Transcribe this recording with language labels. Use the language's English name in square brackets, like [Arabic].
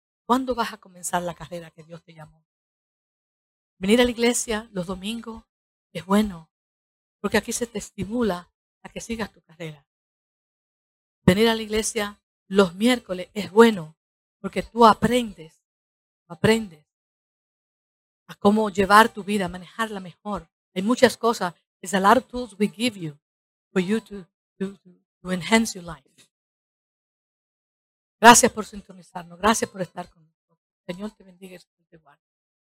[Spanish] ¿Cuándo vas a comenzar la carrera que Dios te llamó? Venir a la iglesia los domingos es bueno. Porque aquí se te estimula a que sigas tu carrera. Venir a la iglesia los miércoles es bueno porque tú aprendes a cómo llevar tu vida, a manejarla mejor. Hay muchas cosas. [English] It's a lot of tools we give you for you to enhance your life. [Spanish] Gracias por sintonizarnos. Gracias por estar con nosotros. Señor, te bendiga y te guarde.